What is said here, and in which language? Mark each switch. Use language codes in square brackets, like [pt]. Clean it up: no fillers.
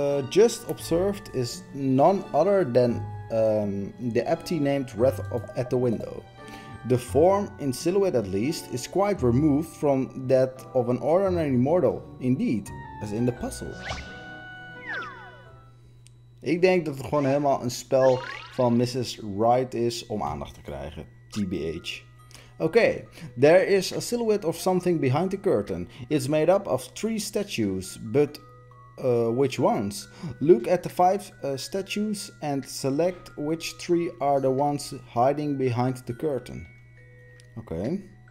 [en] just observed is none other than the aptly named Wreath at the Window. The form, in silhouette at least, is quite removed from that of an ordinary mortal, indeed, as in the puzzle. [nl] Ik denk dat het gewoon helemaal een spel van Mrs. Wright is om aandacht te krijgen, TBH. [en] Okay, there is a silhouette of something behind the curtain. It's made up of three statues, but... which ones? Look at the five statues and select which three are the ones hiding behind the curtain. Okay.